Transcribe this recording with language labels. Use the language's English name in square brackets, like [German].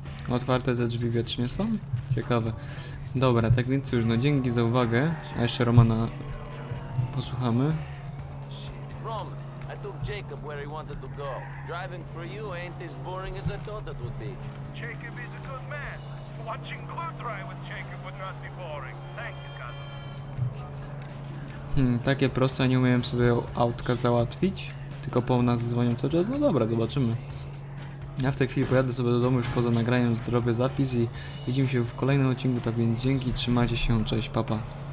[Polish] Otwarte te drzwi wiecznie są? Ciekawe. Dobra, tak więc już, no dzięki za uwagę. A jeszcze Romana posłuchamy. [English] Roman, I took Jacob where he wanted to go. Driving for you ain't as boring as I thought it would be. Jacob is a good man. Watching glue dry with Jacob would not be boring. Thank you, cousin. [Polish] Takie proste, nie umiałem sobie autka załatwić. Tylko po nas dzwonią cały czas. No dobra, zobaczymy. Ja w tej chwili pojadę sobie do domu już poza nagraniem, zdrowy zapis i widzimy się w kolejnym odcinku, tak więc dzięki, trzymajcie się, cześć, papa. Pa.